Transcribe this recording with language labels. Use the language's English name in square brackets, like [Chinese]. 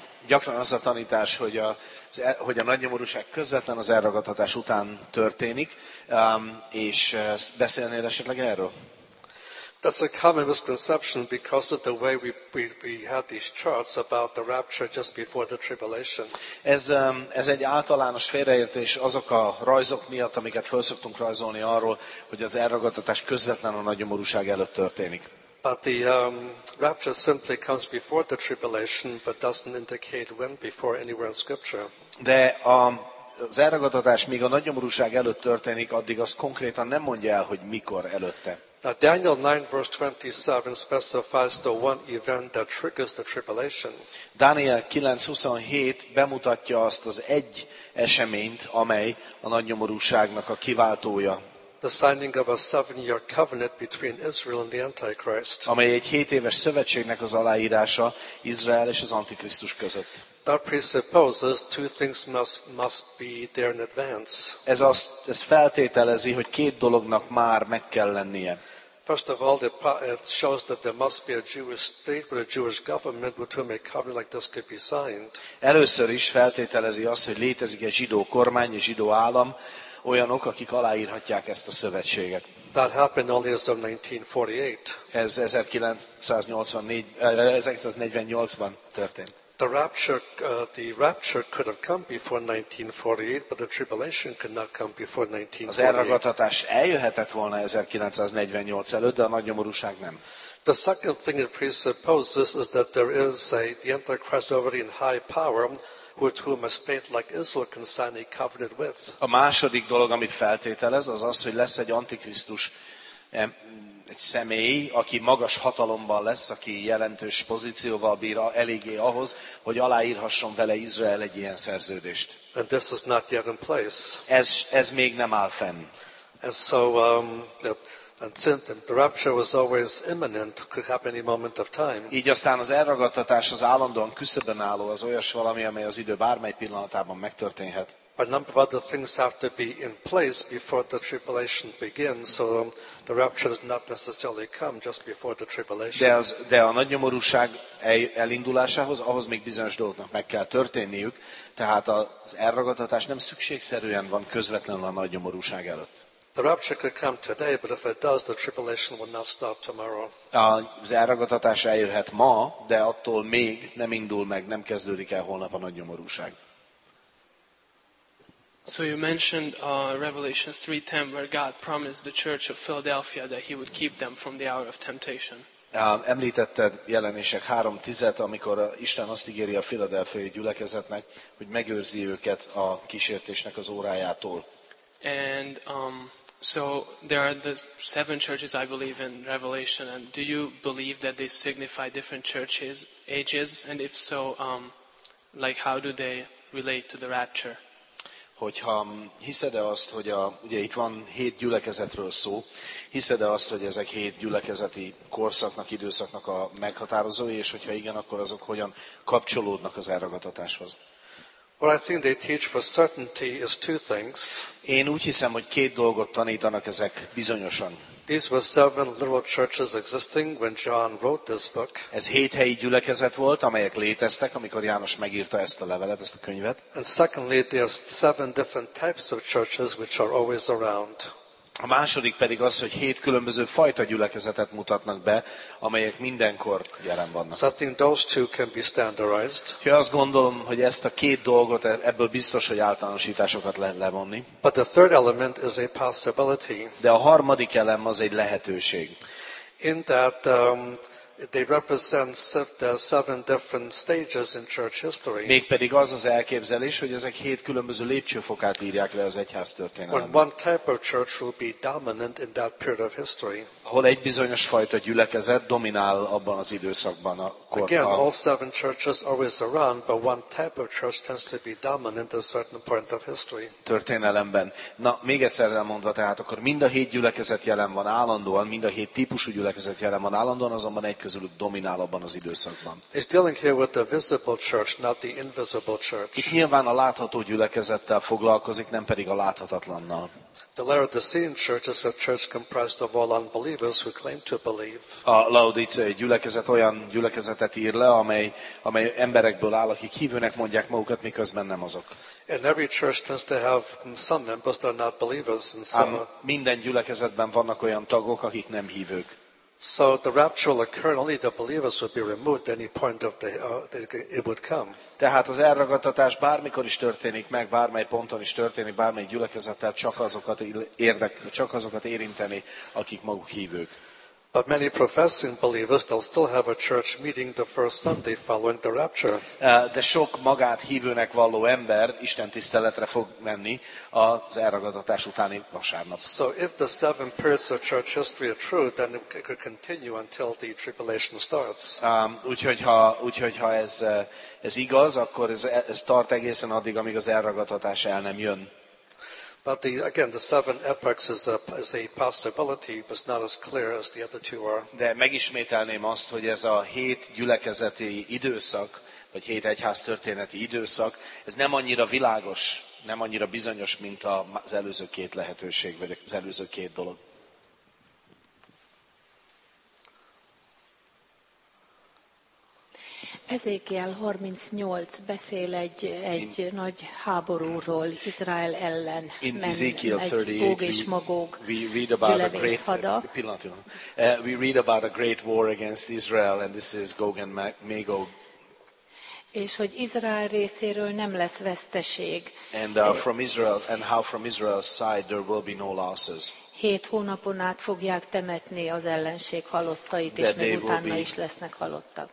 [Hungarian] gyakran az a tanítás, hogy hogy a nagy nyomorúság közvetlen az elragadtatás után történik, és beszélnél esetleg erről? [English] That's a common misconception because of the way we had these charts about the rapture just before the tribulation. [Hungarian] Ez egy általános félreértés azok a rajzok miatt, amiket föl szoktunk rajzolni arról, hogy az elragadtatás közvetlen a nagy nyomorúság előtt történik. [English] But the rapture simply comes before the tribulation, but doesn't indicate when before anywhere in Scripture. [Hungarian] De az elragadtatás, míg a nagy nyomorúság előtt történik, addig az konkrétan nem mondja el, hogy mikor előtte. [English] Now Daniel 9 verse 27 specifies the one event that triggers the tribulation. [Hungarian] Daniel 9:27 bemutatja azt az egy eseményt, amely a nagy nyomorúságnak a kiváltója. [English] The signing of a 7-year covenant between Israel and the Antichrist. [Hungarian] Amely egy 7 éves szövetségnek az aláírása Izrael és az Antikrisztus között. [English] That presupposes two things must be there in advance. [Hungarian] Ez feltételezi, hogy két dolognak már meg kell lennie. [English] First of all, it shows that there must be a Jewish state with a Jewish government with whom a covenant like this could be signed. [Hungarian] Először is feltételezi azt, hogy létezik egy zsidó kormány, egy zsidó állam, olyanok, akik aláírhatják ezt a szövetséget. [English] That happened only as of 1948. [Hungarian] Ez 1948-ban történt. [English] The rapture could have come before 1948, but the tribulation could not come before 1948. [Hungarian] Az elragadtatás eljöhetett volna 1948 előtt, de a nagy nyomorúság nem. [English] The second thing it presupposes is that there is the Antichrist already in high power, with whom a state like Israel can sign a covenant with. [Hungarian] A második dolog, amit feltételez, az az, hogy lesz egy antikrisztus, egy személy, aki magas hatalomban lesz, aki jelentős pozícióval bír eléggé ahhoz, hogy aláírhasson vele Izrael egy ilyen szerződést. [English] And this is not yet in place. [Hungarian] Ez még nem áll fenn. [English] And so, and the rapture was always imminent, could happen any moment of time. [Hungarian] Így aztán az elragadtatás az állandóan küszöbön álló, az olyas valami, amely az idő bármely pillanatában megtörténhet. [English] A number of other things have to be in place before the tribulation begins, so the rapture does not necessarily come just before the tribulation. [Hungarian] De a nagy nyomorúság elindulásához, ahhoz még bizonyos dolgoknak meg kell történniük, tehát az elragadtatás nem szükségszerűen van közvetlenül a nagy nyomorúság előtt. [English] The rapture could come today, but if it does, the tribulation will not stop tomorrow. [Hungarian] Az elragadtatás eljöhet ma, de attól még nem indul meg, nem kezdődik el holnap a nagy nyomorúság. [English] So you mentioned Revelation 3:10 where God promised the church of Philadelphia that he would keep them from the hour of temptation. [Hungarian] Említetted Jelenések 3:10-et, amikor Isten azt ígéri a Philadelphia gyülekezetnek, hogy megőrzi őket a kísértésnek az órájától. [English] And so there are the 7 churches I believe in Revelation, and do you believe that they signify different churches, ages, and if so, like how do they relate to the rapture? [Hungarian] Hogyha hiszed-e azt, hogy ugye itt van 7 gyülekezetről szó, hiszed-e azt, hogy ezek 7 gyülekezeti korszaknak, időszaknak a meghatározói, és hogyha igen, akkor azok hogyan kapcsolódnak az elragadtatáshoz? [English] What I think they teach for certainty is two things. [Hungarian] Én úgy hiszem, hogy két dolgot tanítanak ezek bizonyosan. [English] These were 7 literal churches existing when John wrote this book. [Hungarian] Ez 7 helyi gyülekezet volt, amelyek léteztek, amikor János megírta ezt a levelet, ezt a könyvet. [English] And secondly, there are 7 different types of churches which are always around. [Hungarian] A második pedig az, hogy 7 különböző fajta gyülekezetet mutatnak be, amelyek mindenkor jelen vannak. [English] So I think those two can be standardized. [Hungarian] Úgyhogy azt gondolom, hogy ezt a két dolgot, ebből biztos, hogy általánosításokat lehet levonni. [English] But the third element is a possibility. [Hungarian] De a harmadik elem az egy lehetőség. [English] In that they represent the 7 different stages in church history. [Hungarian] Mégpedig az az elképzelés, hogy ezek 7 különböző lépcsőfokát írják le az egyház történelemben. [English] When one type of church will be dominant in that period of history. [Hungarian] Hol egy bizonyos fajta gyülekezet dominál abban az időszakban a korban. [English] Again, all 7 churches always around, but one type of church tends to be dominant at a certain point of history. [Hungarian] Történelemben. Na, még egyszer elmondva, tehát akkor mind a 7 gyülekezet jelen van állandóan, mind a 7 típusú gyülekezet jelen van állandóan, azonban egy közülük dominál abban az időszakban. [English] It's dealing here with the visible church, not the invisible church. [Hungarian] Itt nyilván a látható gyülekezettel foglalkozik, nem pedig a láthatatlannal. [English] The Laodicean church is a church comprised of all unbelievers who claim to believe. [Hungarian] A Laodicea gyülekezet olyan gyülekezetet ír le, amely emberekből áll, akik hívőnek mondják magukat, miközben nem azok. [English] And every church tends to have some members that are not believers, and some. [Hungarian] Minden gyülekezetben vannak olyan tagok, akik nem hívők. [English] So the rapture will occur, only the believers would be removed at any point of the it would come. [Hungarian] Tehát az elragadtatás bármikor is történik meg, bármely ponton is történik, bármely gyülekezettel csak azokat érinteni, akik maguk hívők. [English] But many professing believers, they'll still have a church meeting the first Sunday following the rapture. [Hungarian] De sok magát hívőnek valló ember Isten tiszteletre fog menni az elragadtatás utáni vasárnap. [English] So if the seven periods of church history are true, then it could continue until the tribulation starts. [Hungarian] Úgyhogy ha ez igaz, akkor ez tart egészen addig, amíg az elragadtatás el nem jön. [English] But the seven epochs is a possibility, but it's not as clear as the other two are. [Hungarian] De megismételném azt, hogy ez a hét gyülekezeti időszak, vagy hét egyház történeti időszak, ez nem annyira világos, nem annyira bizonyos, mint az előző két lehetőség, vagy az előző két dolog. Ezékiel 38 beszél egy nagy háborúról Izrael ellen. [English] In Ezekiel 38 we read about a great we read about a great war against Israel, and this is Gog and Magog. [Hungarian] És hogy Izrael részéről nem lesz veszteség. [English] And from Israel, and how from Israel's side there will be no losses. [Hungarian] 7 hónapon át fogják temetni az ellenség halottait, és még utána is lesznek halottak.